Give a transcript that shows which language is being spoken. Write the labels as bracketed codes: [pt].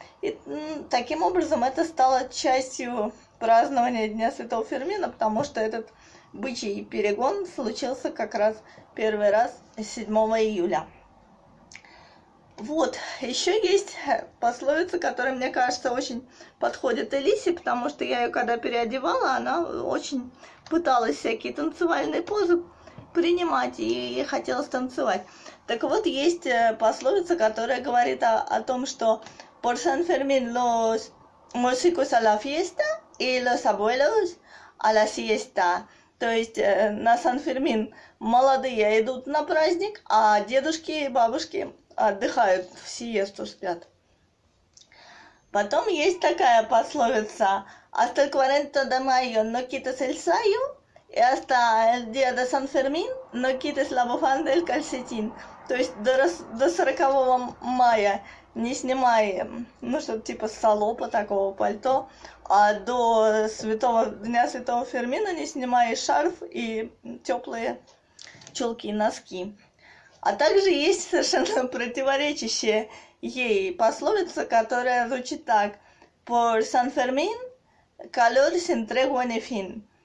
[ru] И таким образом это стало частью празднования Дня Святого Фермина, потому что этот бычий перегон случился как раз первый раз 7 июля. Вот, еще есть пословица, которая, мне кажется, очень подходит Элисе, потому что я ее когда переодевала, она очень пыталась всякие танцевальные позы принимать и хотела станцевать. Так вот, есть пословица, которая говорит о том, что [es] «Por San Fermín los músicos a la fiesta y los abuelos a la siesta». [ru] То есть на Сан-Фермин молодые идут на праздник, а дедушки и бабушки отдыхают, в сиесту спят. Потом есть такая пословица: [es] «Hasta el 40 de mayo no quites el sayo, y hasta el día de San Fermín no quites la bufanda del calcetín». [ru] То есть до 40 мая не снимай, ну, что-то типа салопа такого, пальто, а до святого, дня святого Фермина не снимай шарф и теплые чулки и носки. А также есть совершенно противоречащая ей пословица, которая звучит так: [es] «Por San Fermín, calor sin tregua ni fin».